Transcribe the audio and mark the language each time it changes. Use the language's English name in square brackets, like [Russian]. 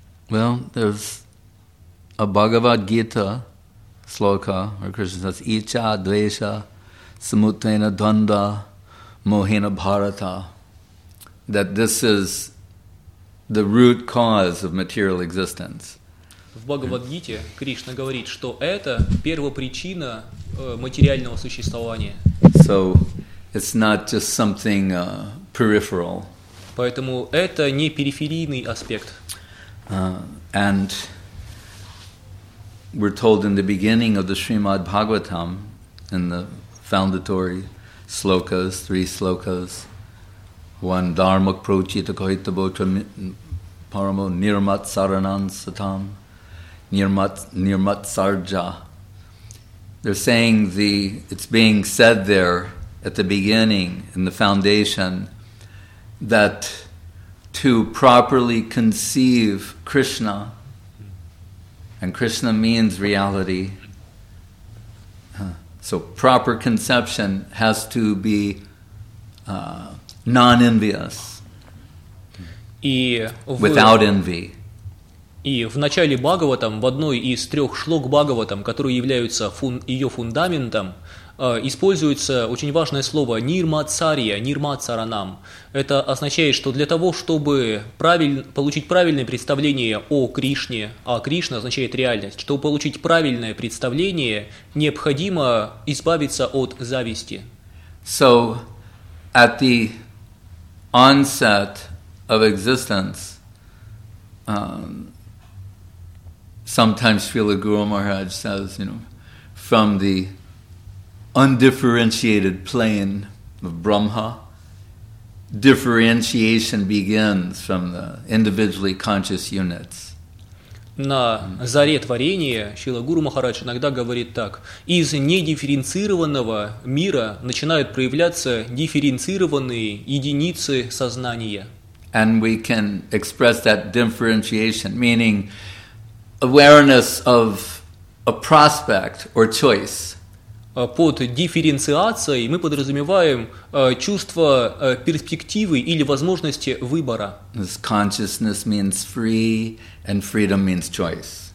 [English] Well, there's a Bhagavad Gita sloka where Krishna says, [Sanskrit] Icha Dvesha Samutena Dvanda Mohena Bharata, [English] that this is the root cause of material existence. [Russian] В Бхагавад-гите Кришна говорит, что это первопричина материального существования. [English] So it's not just something peripheral. [Russian] Поэтому это не периферийный аспект. [English] And we're told in the beginning of the Srimad Bhagavatam, in the foundatory slokas, three slokas, one [Sanskrit] dharma prochita kohita bhocha paramo nirmat saranam satam. Nirmat Sarja. [English] They're saying it's being said there at the beginning, in the foundation, that to properly conceive Krishna, and Krishna means reality, so proper conception has to be non-envious, without envy. [Russian] И в начале Бхагаватам, в одной из трех шлок Бхагаватам, которые являются ее фундаментом, используется очень важное слово «нирмацарья», «нирмацаранам». Это означает, что для того, чтобы получить правильное представление о Кришне, а Кришна означает реальность, чтобы получить правильное представление, необходимо избавиться от зависти. [English] So, at the onset of existence, sometimes Srila Guru Maharaj says, you know, from the undifferentiated plane of Brahma, differentiation begins from the individually conscious units. [Russian] На заре творения Шрила Гуру Махарадж иногда говорит так: из недифференцированного мира начинают проявляться дифференцированные единицы сознания. [English] And we can express that differentiation, meaning awareness of a prospect or choice. [Russian] Под дифференциацией мы подразумеваем чувство перспективы или возможности выбора. [English] This consciousness means free, and freedom means choice.